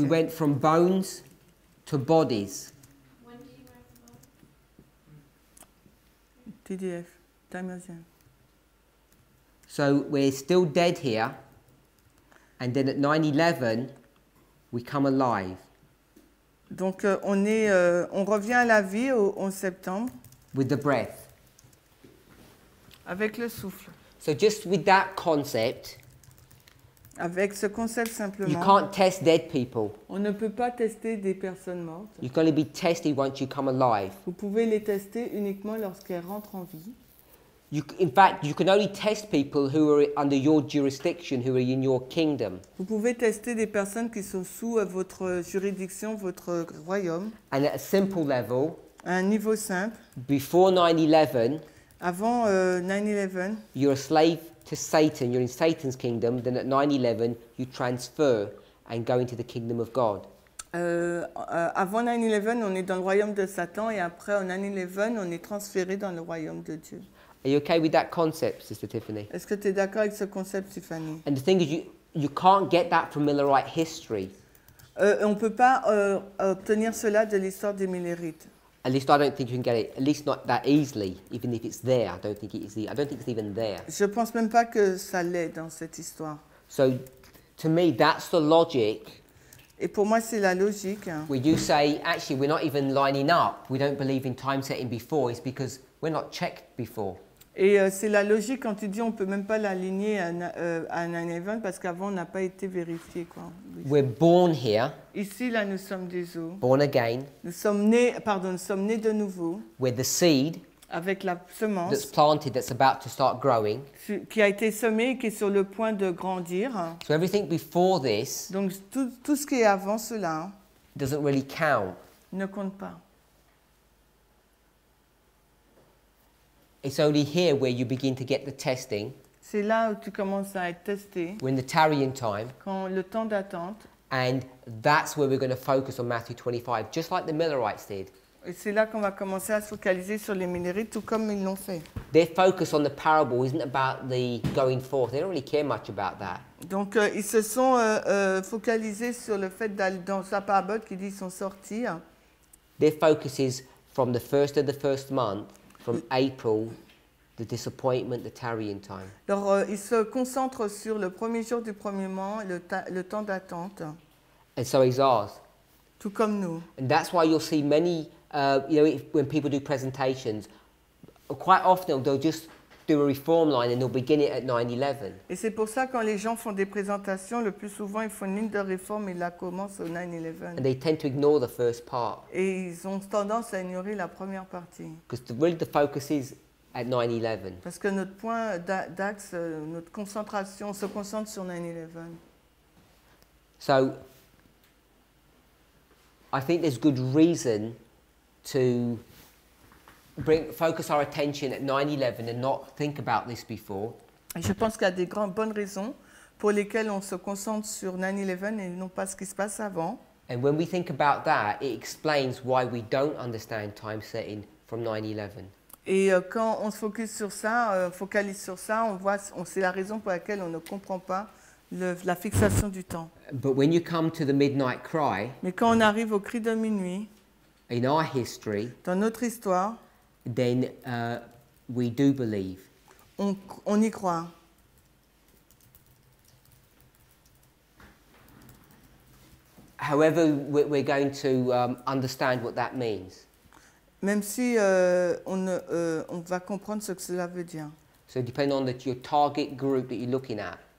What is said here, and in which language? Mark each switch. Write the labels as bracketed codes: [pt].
[en] We went from bones to bodies. When do you write the book? TDF, Time Asian. So we're still dead here, and then at 9/11, we come alive. [fr] Donc on revient à la vie au 11 septembre. [en] With the breath. [fr] Avec le souffle. [en] So just with that concept. [fr] Avec ce concept simplement. [en] You can't test dead people. [fr] On ne peut pas tester des personnes mortes. [en] You're going to be tested once you come alive. [fr] Vous pouvez les tester uniquement lorsqu'elles rentrent en vie. [en] In fact, you can only test people who are under your jurisdiction, who are in your kingdom. [fr] Vous pouvez tester des personnes qui sont sous votre juridiction, votre royaume. [en] And at a simple level, [fr] un niveau simple, [en] before 9/11, [fr] avant 9/11, [en] you're a slave to Satan, you're in Satan's kingdom, then at 9/11, you transfer and go into the kingdom of God. [fr] Avant 9/11, on est dans le royaume de Satan, et après, en 9/11, on est transféré dans le royaume de Dieu. [en] Are you okay with that concept, Sister Tiffany? [fr] Est-ce que tu es d'accord avec ce concept, Tiffany? [en] And the thing is, you can't get that from Millerite history. [fr] On peut pas obtenir cela de l'histoire des Millerites. [en] At least I don't think you can get it. At least not that easily. Even if it's there, I don't think it is. I don't think it's even there. [fr] Je pense même pas que ça l'est dans cette histoire. [en] So, to me, that's the logic. [fr] Et pour moi, c'est la logique. Hein. [en] When you say, actually, we're not even lining up. We don't believe in time setting before. It's because we're not checked before. [fr] Et c'est la logique quand tu dis on peut même pas l'aligner à 9/11 parce qu'avant on n'a pas été vérifié quoi. [en] We're born here. [fr] Ici là nous sommes des eaux. [en] Born again. [fr] Nous sommes nés de nouveau. [en] With the seed. [fr] Avec la semence. [en] That's planted, that's about to start growing. [fr] Qui a été semé et qui est sur le point de grandir. [en] So everything before this. [fr] Donc tout ce qui est avant cela. [en] Doesn't really count. [fr] Ne compte pas. [en] It's only here where you begin to get the testing. [fr] C'est là où tu commences à être testé. [en] We're in the tarrying time. [fr] Quand le temps d'attente. [en] And that's where we're going to focus on Matthew 25, just like the Millerites did. [fr] Et c'est là qu'on va commencer à se focaliser sur les Millerites, tout comme ils l'ont fait. [en] Their focus on the parable isn't about the going forth. They don't really care much about that. [fr] Donc ils se sont focalisés sur le fait d'aller dans sa parabole qui dit ils sont sortis. [en] Their focus is from the first of the first month. From April, the disappointment, the tarrying time. [fr] Alors, ils se concentrent sur le premier jour du premier mois, le temps d'attente. [en] And so is ours. [fr] Tout comme nous. [en] And that's why you'll see many, when people do presentations, quite often they'll just do a reform line and they'll begin it at 9/11. [fr] Et c'est pour ça quand les gens font des présentations, le plus souvent ils font une ligne de réforme et la commencent au 9/11. [en] And they tend to ignore the first part. [fr] Et ils ont tendance à ignorer la première partie. [en] Because really the focus is at 9/11. [fr] Parce que notre point d'axe, notre concentration, se concentre sur 9/11. [en] So, I think there's good reason to focus our attention at 9/11 and not think about this before. [fr] Je pense qu'il y a des grandes bonnes raisons pour lesquelles on se concentre sur 9/11 et non pas ce qui se passe avant. [en] And when we think about that, it explains why we don't understand time setting from 9/11. [fr] Et quand on se focus sur ça, focalise sur ça, c'est la raison pour laquelle on ne comprend pas la fixation du temps. [en] But when you come to the midnight cry, [fr] mais quand on arrive au cri de minuit, [en] in our history, [fr] dans notre histoire, [en] then we do believe. [fr] On y croit. [en] However, we're going to understand what that means. [fr] Même si on va comprendre ce que cela veut dire. [en] So depending on your target group that you're looking at.